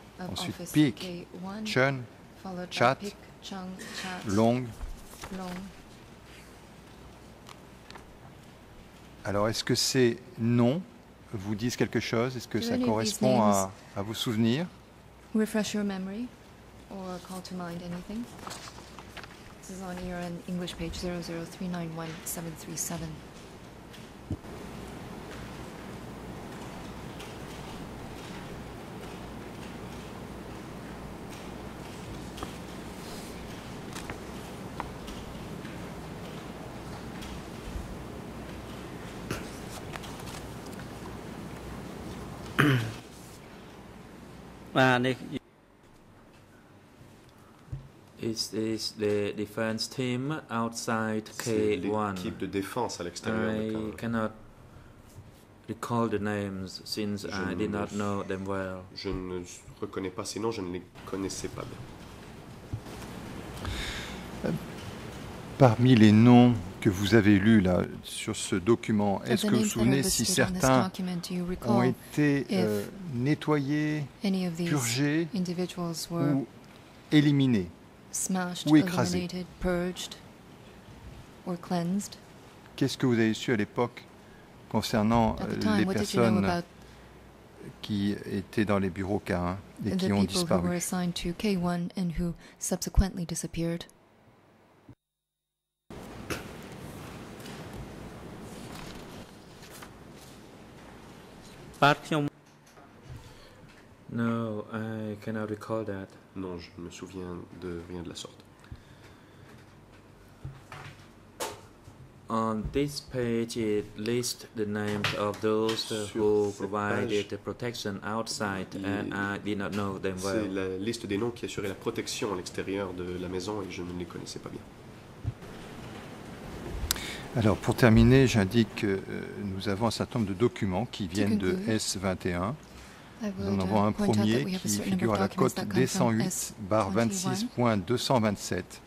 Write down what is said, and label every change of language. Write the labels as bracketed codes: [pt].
[fr] Ensuite, Pik, Chun, Chat, Long. Alors, est-ce que ces noms vous disent quelque chose? Est-ce que ça correspond à vos souvenirs? [en] Refresh your memory or call to mind anything? This is on your English page 00391737. It is the defense team outside [fr] K1. L'équipe de défense à l'extérieur de K1. [en] I cannot recall the names since I did not know them well. [fr] Je ne reconnais pas ces noms, je ne les connaissais pas bien. Parmi les noms que vous avez lus là sur ce document, est-ce que vous vous souvenez si certains ont été nettoyés, purgés ou éliminés, [en] smashed, [fr] ou écrasés, [en] purged, or cleansed? [fr] Qu'est-ce que vous avez su à l'époque concernant les personnes qui étaient dans les bureaux K1 et qui ont disparu? [en] Who were assigned to K1 and who subsequently disappeared? No, I cannot recall that. [fr] Non, je ne me souviens de rien de la sorte. [en] On this page, it lists the names of those who provided the protection outside, and I did not know them well. [fr] C'est la liste des noms qui assuraient la protection à l'extérieur de la maison, et je ne les connaissais pas bien. Alors, pour terminer, j'indique que nous avons un certain nombre de documents qui viennent de S21. Nous en avons un premier qui figure à la cote D108-26.227.